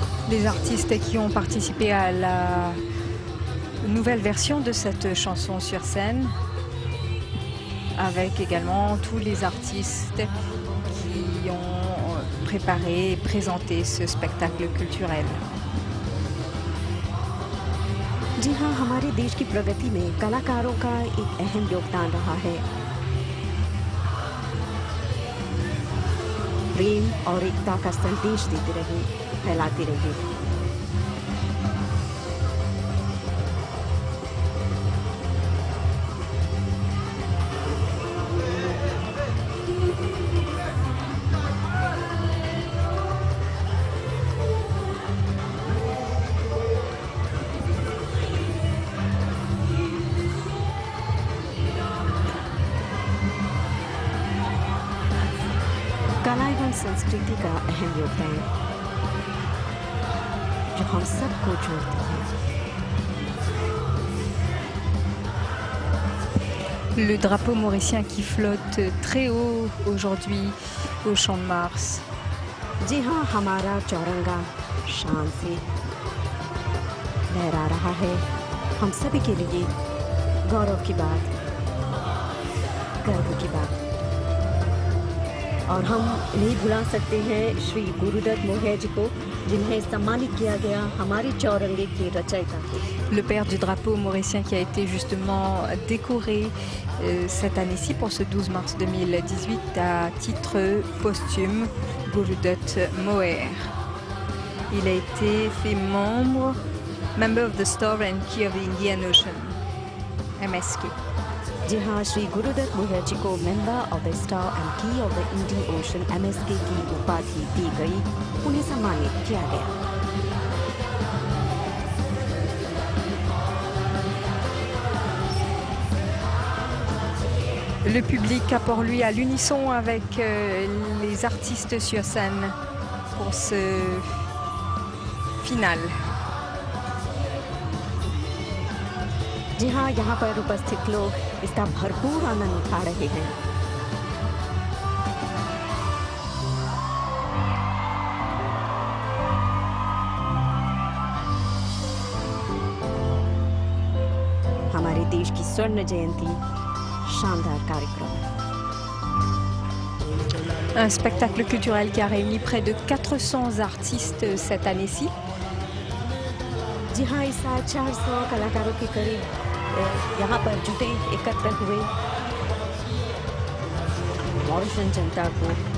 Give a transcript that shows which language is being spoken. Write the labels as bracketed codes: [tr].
[fr] Les artistes qui ont participé à la nouvelle version de cette chanson sur scène, avec également tous les artistes qui ont préparé et présenté ce spectacle culturel. [hi] जी हाँ हमारे देश की प्रगति में कलाकारों का एक अहम योगदान रहा है प्रेम और एकता का संदेश देते रहे फैलाते रहे संस्कृति का अहम योगदान जो हम सबको जोड़ता है [fr] Le drapeau mauricien qui flotte très haut aujourd'hui au champ de Mars. [hi] जी हाँ हमारा चौरंगा शान से लहरा रहा है हम सभी के लिए गौरव की बात गर्व की बात और हम नहीं भुला सकते हैं श्री गुरुदत्त मोहिया जी को जिन्हें सम्मानित किया गया हमारे चौरंगे की रचयिता [fr] Le père du drapeau mauricien qui a été justement décoré cette année-ci pour ce 12 mars 2018 à titre posthume Gurudutt Moher. Il a été fait membre Member of the Star and Key of the Indian Ocean MSK. [hi] जी हाँ श्री गुरुदत्त मुखर्जी को member of the star and की of the Indian ocean MSK की उपाधि दी गई उन्हें सम्मानित किया गया [fr] Le public a pour lui à l'unisson avec les artistes sur scène pour ce final. [hi] जी हाँ यहाँ पर उपस्थित लोग इसका भरपूर आनंद उठा रहे हैं हमारे देश की स्वर्ण जयंती शानदार कार्यक्रम [fr] Un spectacle culturel qui a réuni près de 400 artistes cette année-ci. [hi] जी हाँ इस साल 400 कलाकारों के करीब यहाँ पर जुटे एकत्र हुए मॉरिशन जनता को